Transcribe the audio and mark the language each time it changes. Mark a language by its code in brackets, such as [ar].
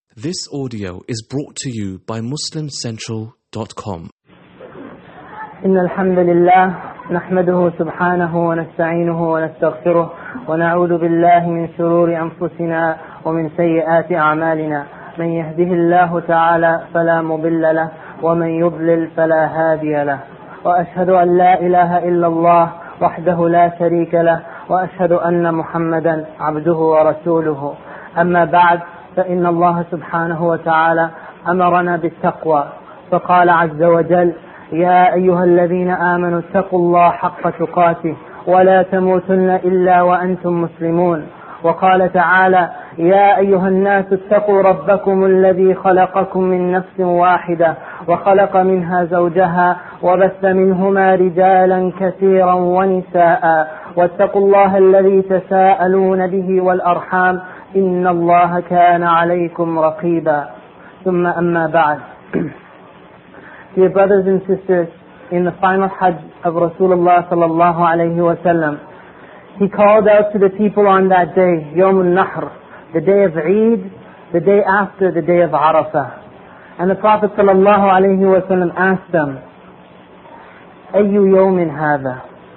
[en] This audio is brought to you by MuslimCentral.com. [ar] إن الحمد لله نحمده سبحانه ونستعينه ونستغفره ونعوذ بالله من شرور أنفسنا ومن سيئات أعمالنا. من يهده الله تعالى فلا مضل له ومن يضلل فلا هادي له. وأشهد أن لا إله إلا الله وحده لا شريك له وأشهد أن محمدا عبده ورسوله. أما بعد، فإن الله سبحانه وتعالى أمرنا بالتقوى فقال عز وجل: يا أيها الذين آمنوا اتقوا الله حق تقاته ولا تموتن إلا وأنتم مسلمون. وقال تعالى: يا أيها الناس اتقوا ربكم الذي خلقكم من نفس واحدة وخلق منها زوجها وبث منهما رجالا كثيرا ونساء واتقوا الله الذي تساءلون به والأرحام إن الله كان عليكم رقيبا. ثم أما بعد. [en] Dear brothers and sisters, in the final Hajj of Rasulullah sallallahu alayhi wa sallam, he called out to the people on that day, Yawm al-Nahr, the day of Eid, the day after the day of Arafah. And the Prophet sallallahu alayhi wa sallam asked them, [ar] Ayyu yawmin hadha?